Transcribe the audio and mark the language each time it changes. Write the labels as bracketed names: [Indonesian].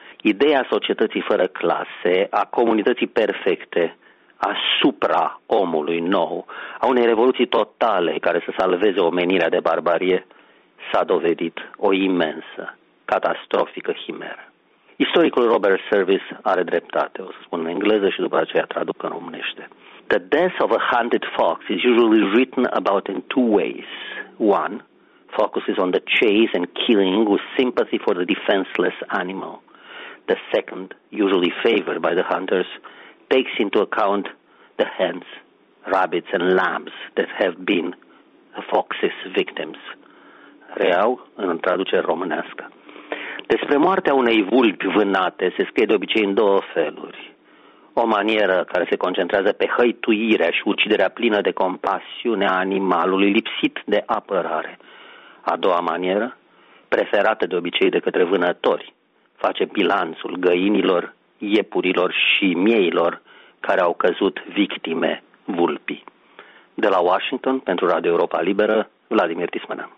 [Romanian] Ideea societății fără clase, a comunității perfecte, asupra omului nou, a unei revoluții totale care să salveze omenirea de barbarie, s-a dovedit o imensă, catastrofică chimeră. Istoricul Robert Service are dreptate, o să spun în engleză și după aceea traduc în românește. [English] The death of a hunted fox is usually written about in two ways. One, focuses on the chase and killing with sympathy for the defenseless animal. The second, usually favored by the hunters, takes into account the hens, rabbits and lambs that have been the fox's victims. [Romanian] Reau în traducere românească. Despre moartea unei vulpi vânate se scrie de obicei în două feluri. O manieră care se concentrează pe hăituirea și uciderea plină de compasiune a animalului lipsit de apărare. A doua manieră, preferată de obicei de către vânători, face bilanțul găinilor, iepurilor și mieilor care au căzut victime vulpii. De la Washington, pentru Radio Europa Liberă, Vladimir Tismana.